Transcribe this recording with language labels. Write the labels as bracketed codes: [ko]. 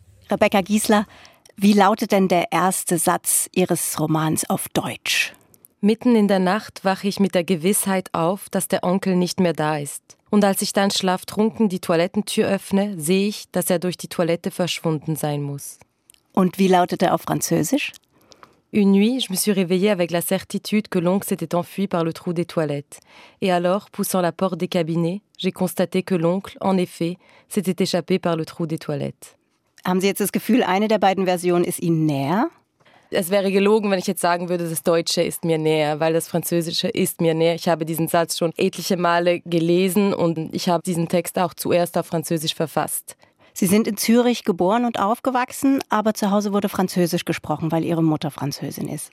[de] Rebecca Giesler, wie lautet denn der erste Satz Ihres Romans auf Deutsch? Mitten in der Nacht wache ich mit der Gewissheit auf, dass der Onkel nicht mehr da ist. Und als ich dann schlaftrunken die Toilettentür öffne, sehe ich, dass er durch die Toilette verschwunden sein muss. Und wie lautet er auf Französisch? [fr] Une nuit, je me suis réveillée avec la certitude que l'oncle s'était enfui par le trou des toilettes. Et alors, poussant la porte des cabinets, j'ai constaté que l'oncle, en effet, s'était échappé par le trou des toilettes. [de] Haben Sie jetzt das Gefühl, eine der beiden Versionen ist Ihnen näher? Es wäre gelogen, wenn ich jetzt sagen würde, das Deutsche ist mir näher, weil das Französische ist mir näher. Ich habe diesen Satz schon etliche Male gelesen und ich habe diesen Text auch zuerst auf Französisch verfasst. Sie sind in Zürich geboren und aufgewachsen, aber zu Hause wurde Französisch gesprochen, weil Ihre Mutter Französin ist.